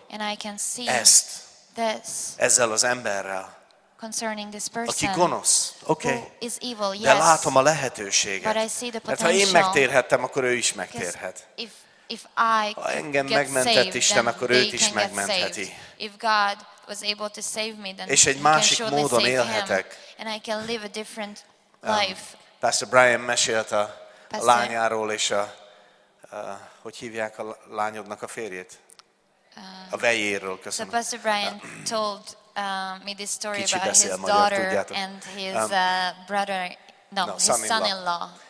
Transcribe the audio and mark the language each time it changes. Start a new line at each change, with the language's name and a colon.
English: And I can see.
Hungarian: Ezt.
English: This.
Hungarian: Ezzel az emberrel.
English: Concerning this person.
Hungarian: Aki gonosz. Okay.
English: Who is evil, yes.
Hungarian: De látom a lehetőséget.
English: But I see the potential.
Hungarian: Mert ha én megtérhettem, akkor ő is megtérhet.
English: If I
Hungarian: ha engem megmentett
English: saved,
Hungarian: Isten, akkor őt is megmentheti.
English: If God was able to save me, then
Hungarian: és egy másik módon élhetek.
English: And I can live a different life.
Hungarian: Pastor Brian mesélt a Pastor lányáról, és hogy hívják a lányodnak a férjét? A vejéről, köszönöm.
English: So Pastor Brian told me this story about his daughter and his brother, his son-in-law.